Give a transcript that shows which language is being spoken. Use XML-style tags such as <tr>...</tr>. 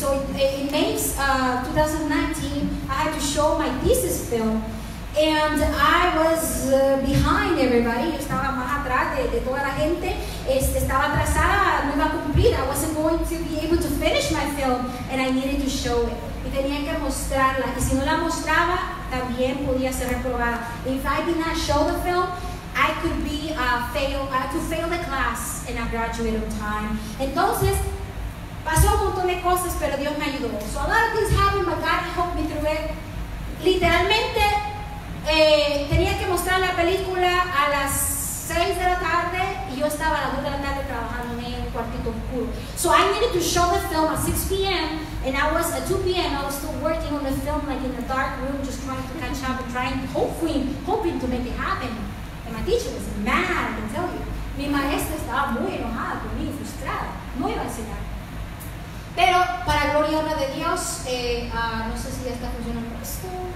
<en>So in May 2019, I had to show my thesis film, and I was behind everybody.</en> <es>Yo estaba más atrás de toda la gente, estaba atrasada, no iba a cumplir.</es> <en>I wasn't going to be able to finish my film, and I needed to show it.</en> <es>Y tenía que mostrarla, y si no la mostraba, también podía ser reprobada.</es> <en>If I did not show the film, I could be fail the class and I graduated on time.</en> <es>Entonces, pasó un montón de cosas, pero Dios me ayudó.</es> <en>So a lot of things happened, but God helped me through it.</en> <es>Literalmente, tenía que mostrar la película a las 6 de la tarde y yo estaba a las 2 de la tarde trabajando en un cuartito oscuro.</es> <en>So I needed to show the film at 6 p.m. and I was at 2 p.m. I was still working on the film like in a dark room, just trying to catch up and hoping to make it happen. And my teacher was mad, I can tell you.</en> <es>Mi maestra estaba muy enojada con mí, frustrada. No iba a enseñar. Pero para gloria y honra de Dios, no sé si ya está funcionando esto.</es>